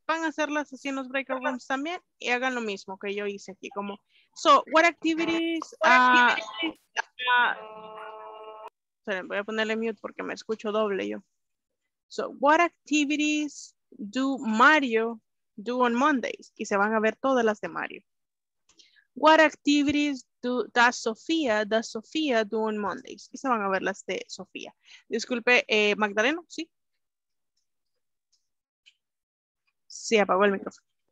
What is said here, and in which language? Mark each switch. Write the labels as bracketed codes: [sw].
[es] Van a hacerlas así en los breakout rooms también. Y hagan lo mismo que yo hice aquí. Como, [en] so, what activities... [es] voy a ponerle mute porque me escucho doble yo. [en] So, what activities do Mario do on Mondays? [es] Y se van a ver todas las de Mario. [en] What activities does Sofía do on Mondays? [es] Y se van a ver las de Sofía. Disculpe, Magdaleno, sí. Sí, apagó el micrófono.